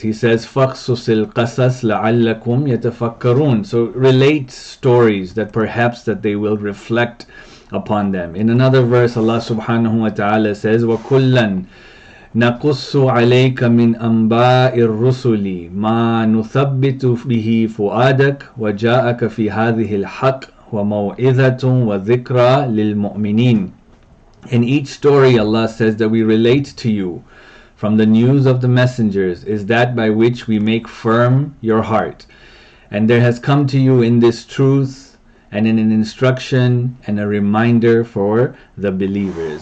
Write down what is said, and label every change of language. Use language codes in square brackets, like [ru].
[en] He says, [ar] فَقْصُصِ الْقَصَصْ لَعَلَّكُمْ يَتَفَكَّرُونَ. [en] So relate stories that perhaps that they will reflect upon them. In another verse, Allah subhanahu wa ta'ala says, [ar] وَكُلًّا نَقُصُّ عَلَيْكَ مِنْ أَنْبَاءِ الرُّسُلِ مَا نُثَبِّتُ بِهِ فُؤَادَكَ وَجَاءَكَ فِي هَذِهِ الْحَقِّ وَمَوْعِذَةٌ وَذِكْرَى لِلْمُؤْمِنِينَ. [en] In each story, Allah says that we relate to you from the news of the messengers is that by which we make firm your heart. And there has come to you in this truth and in an instruction and a reminder for the believers.